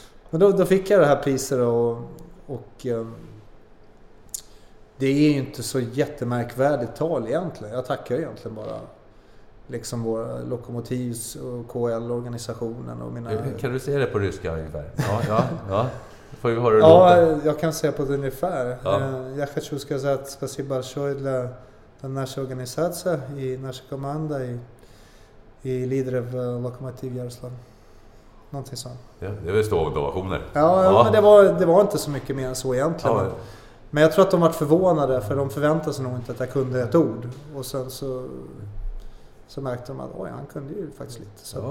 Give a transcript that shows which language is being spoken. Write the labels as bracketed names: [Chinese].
[Swedish] Men då fick jag det här priset och det är ju inte så jättemärkvärdigt tal egentligen. Jag tackar egentligen bara liksom våra Lokomotivs och KL-organisationen och mina... Kan du säga det på ryska ungefär? Ja. Får vi höra det Ja, jag kan säga på det ungefär. Jag [Russian] хочу сказать спасибо большое для нашей организации и нашей команды и лидеров Локомотив Ярослав. [Swedish] Någonting sånt. Ja, det var stående ovationer. Ja, men det var inte så mycket mer än så egentligen. Ja. Men jag tror att de var förvånade, för de förväntade sig nog inte att jag kunde ett ord. Och sen så märkte de att han kunde ju faktiskt lite.